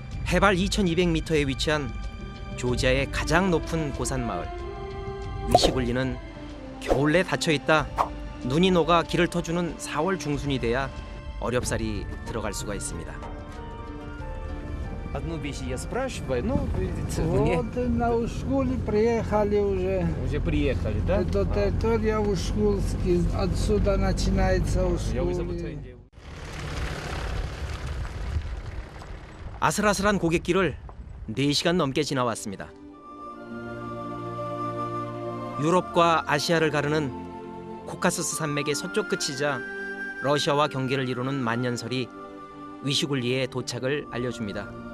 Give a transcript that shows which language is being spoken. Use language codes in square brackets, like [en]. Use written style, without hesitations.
[ko] 해발 2200m에 위치한 조지아의 가장 높은 고산마을 미시골리는 겨울 내 닫혀있다 눈이 녹아 길을 터주는 4월 중순이 돼야 어렵사리 들어갈 수가 있습니다. [ru] Одну вещь я спрашиваю, ну, видите, вот мне... Вот на Ушгуле приехали уже. Уже приехали, да? Это территория Ушгульская, отсюда начинается Ушгуле. [ko] 아슬아슬한 고갯길을 4시간 넘게 지나왔습니다. 유럽과 아시아를 가르는 코카서스 산맥의 서쪽 끝이자 러시아와 경계를 이루는 만년설이 위시굴리에 도착을 알려줍니다.